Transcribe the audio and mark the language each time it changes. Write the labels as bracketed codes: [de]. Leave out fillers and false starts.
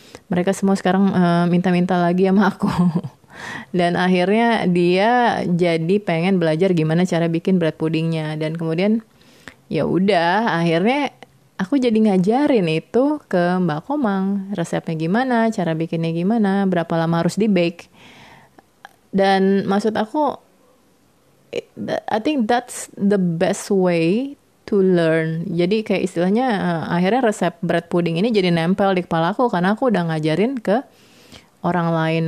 [id] Mereka semua sekarang minta-minta lagi sama aku. Dan akhirnya dia jadi pengen belajar gimana cara bikin bread puddingnya. Dan kemudian ya udah, akhirnya aku jadi ngajarin itu ke Mbak Komang, resepnya gimana, cara bikinnya gimana, berapa lama harus di bake. Dan maksud aku, [en] I think that's the best way to learn. [id] Jadi kayak istilahnya, akhirnya resep bread pudding ini jadi nempel di kepala aku karena aku udah ngajarin ke orang lain.